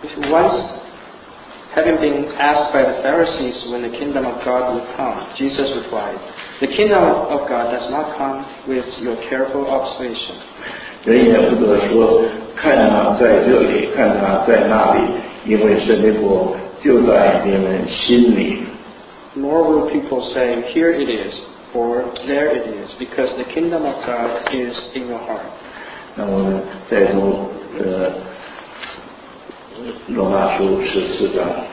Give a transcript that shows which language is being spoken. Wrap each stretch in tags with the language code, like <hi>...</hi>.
<en>Once having been asked by the Pharisees when the kingdom of God would come, Jesus replied, "The kingdom of God does not come with your careful observation."</en> <zh>人也不得说，看他在这里，看他在那里，因为神的国就在你们心里。</zh> <en>Nor will people say, "Here it is," for there it is, because the kingdom of God is in your heart.</en> <zh>那我们再读罗马书十四章。</zh>